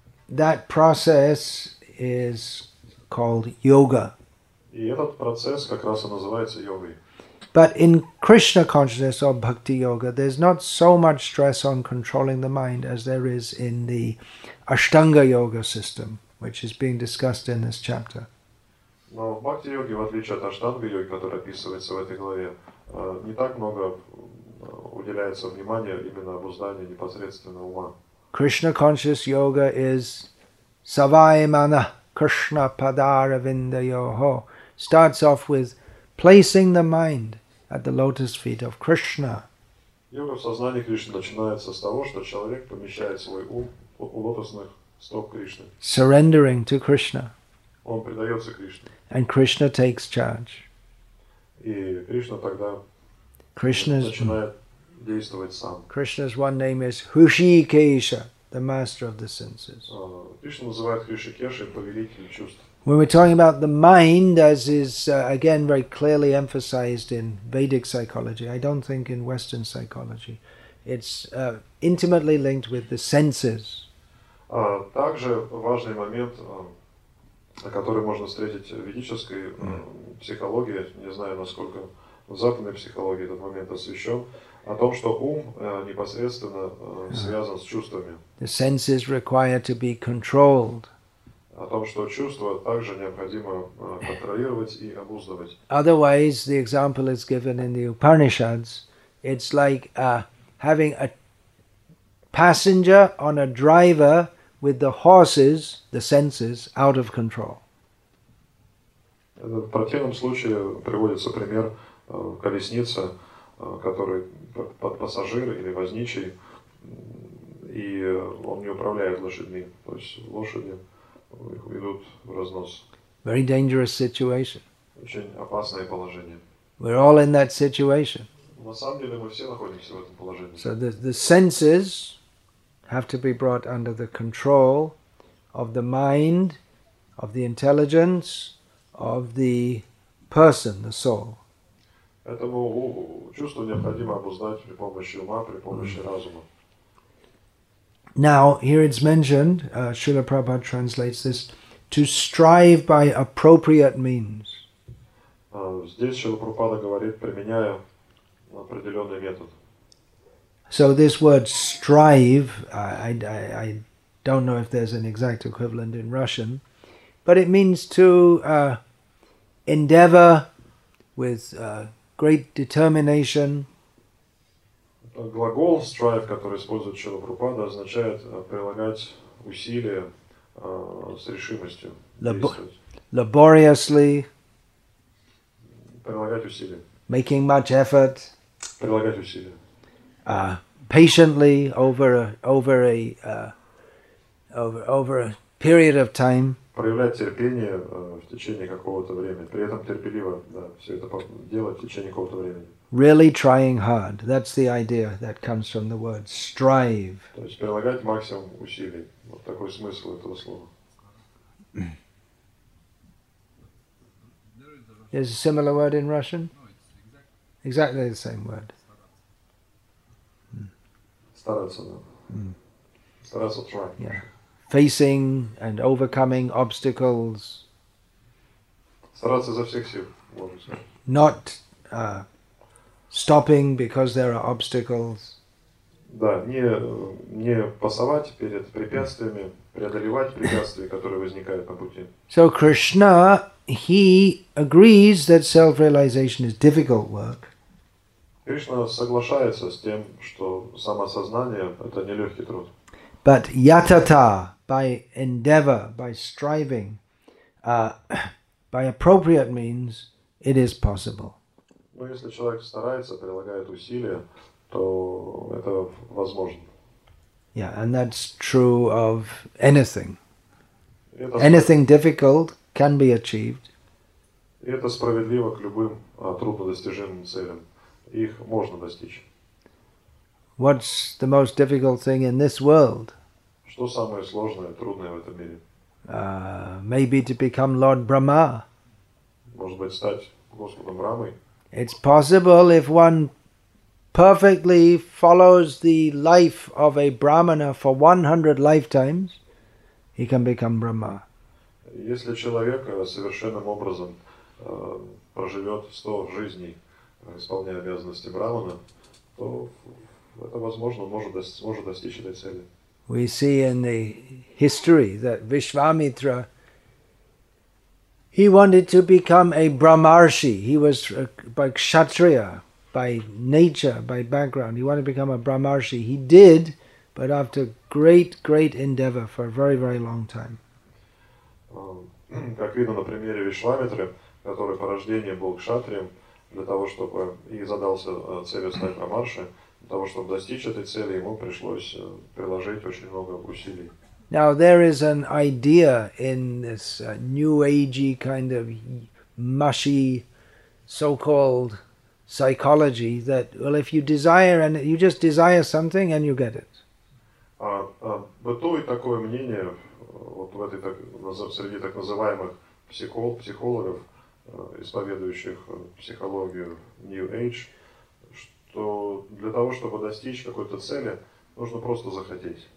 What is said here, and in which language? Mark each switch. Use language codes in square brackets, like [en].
[en] That process is called yoga. [ru] И этот процесс как раз и называется йогой. [en] But in Krishna consciousness or bhakti yoga, there's not so much stress on controlling the mind as there is in the Ashtanga yoga system, which is being discussed in this chapter. [ru] Но в бхакти-йоге, в отличие от аштанга-йоги, которая описывается в этой главе, не так много уделяется внимания именно обузданию непосредственно ума. [en] Krishna conscious yoga is [sa] savaimana Krishna padaravinda yoho. [en] Starts off with placing the mind at the lotus feet of Krishna. [ru] Йога в сознании Кришны начинается с того, что человек помещает свой ум у лотосных [en] surrendering to Krishna. [ru] Он предаётся Кришне. [en] And Krishna takes charge. [ru] И Кришна тогда начинает действовать сам. [en] Krishna's one name is Hrishikesha, the master of the senses. [ru] Кришна называет Хришикеша повелителем чувств. [en] When we're talking about the mind, as is again very clearly emphasized in Vedic psychology, I don't think in Western psychology, it's intimately linked with the senses. [ru] Также важный момент, который можно встретить в ведической психологии, не знаю, насколько в западной психологии этот момент освещен, о том, что ум непосредственно связан с чувствами. [en] The senses require to be controlled. [ru] О том, что чувства также необходимо контролировать и обуздывать. [en] Otherwise, the example is given in the Upanishads. It's like having a passenger on a driver with the horses, the senses, out of control. [ru] В противном случае приводится пример колесница, который под пассажир или возничий, и он не управляет лошадьми, то есть лошади идут в разнос. [en] Very dangerous situation. [ru] Очень опасное положение. [en] We're all in that situation. [ru] На самом деле мы все находимся в этом положении. [en] So the senses have to be brought under the control of the mind, of the intelligence, of the person, the soul. [ru] Поэтому чувство необходимо обуздать при помощи ума, при помощи разума. [en] Now, here it's mentioned, Srila Prabhupada translates this, to strive by appropriate means. [ru] Здесь Srila Prabhupada говорит, применяя определенный метод. [en] So this word strive, I don't know if there's an exact equivalent in Russian, but it means to endeavor with great determination. [ru] Глагол strive, который использует Шрила Прабхупада, означает прилагать усилия с решимостью действовать. [en] Laboriously. [ru] Прилагать усилия. [en] Making much effort. [ru] Прилагать усилия. [en] Patiently over a period of time. [ru] Проявлять терпение в течение какого-то времени. При этом терпеливо, да, все это делать в течение какого-то времени. [en] Really trying hard. That's the idea that comes from the word strive. [ru] То есть прилагать максимум усилий. Вот такой смысл этого слова. [en] There's a similar word in Russian? No, it's exactly the same word. [ru] Стараться. Стараться, try. [en] Yeah. Facing and overcoming obstacles. [ru] Стараться за всех сил, можно сказать. [en] Not stopping because there are obstacles. [ru] Да, не пасовать перед препятствиями, преодолевать препятствия, которые возникают на пути. [en] So Krishna, he agrees that self-realization is difficult work. [ru] Кришна соглашается с тем, что самосознание – это нелегкий труд. [en] But yatata, by endeavor, by striving, by appropriate means, it is possible. [ru] Но если человек старается, прилагает усилия, то это возможно. [en] Yeah, and that's true of anything. Anything difficult can be achieved. [ru] И это справедливо к любым труднодостижимым целям. Их можно достичь. [en] What's the most difficult thing in this world? [ru] Что самое сложное, трудное в этом мире? [en] Maybe to become Lord Brahma. [ru] Может быть, стать Господом Брамой? [en] It's possible if one perfectly follows the life of a Brahmana for 100 lifetimes, he can become Brahma. [ru] Если человек совершенным образом проживет 100 жизней, исполняя обязанности Брамана, то это возможно, может достичь этой цели. [en] We see in the history that Vishvamitra, he wanted to become a Brahmarshi. He was by Kshatriya, by nature, by background. He wanted to become a Brahmarshi. He did, but after great, great endeavor for a very, very long time. [ru] Как видно на примере Вишвамитры, который по рождению был кшатрием, для того чтобы и задался целью стать брамарши, для того чтобы достичь этой цели, ему пришлось приложить очень много усилий. [en] Now there is an idea in this new agey kind of mushy so-called psychology that, well, if you desire and you just desire something and you get it. [ru] Бытует такое мнение вот в этой среди так называемых психологов, исповедующих психологию New Age, что для того, чтобы достичь какой-то цели, нужно просто захотеть.